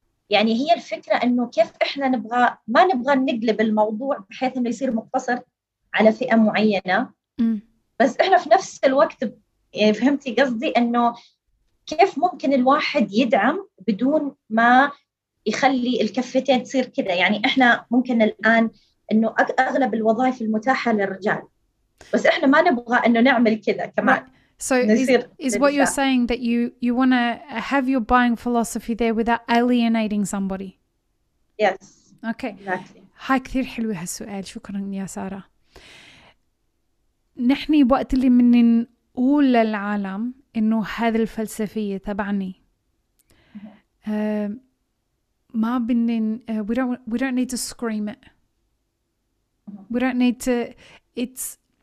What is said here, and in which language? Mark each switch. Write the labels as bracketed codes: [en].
[ar] يعني هي الفكرة أنه كيف إحنا نبغى ما نبغى نقلب الموضوع بحيث أنه يصير مقتصر على فئة معينة بس إحنا في نفس الوقت يعني فهمتي قصدي أنه كيف ممكن الواحد يدعم بدون ما يخلي الكفتين تصير كذا يعني إحنا ممكن الآن أنه أغلب الوظائف المتاحة للرجال بس إحنا ما نبغى أنه نعمل كذا كمان [en] So is what you're saying that you want to have your buying philosophy there without alienating somebody? Yes. Okay. Exactly. [ar] هاي كثير حلوة هالسؤال شكراً يا سارة نحن وقت اللي من نقول للعالم إنه هذا الفلسفية تبعني ما بدنا [en] we don't need to scream it we don't need to it's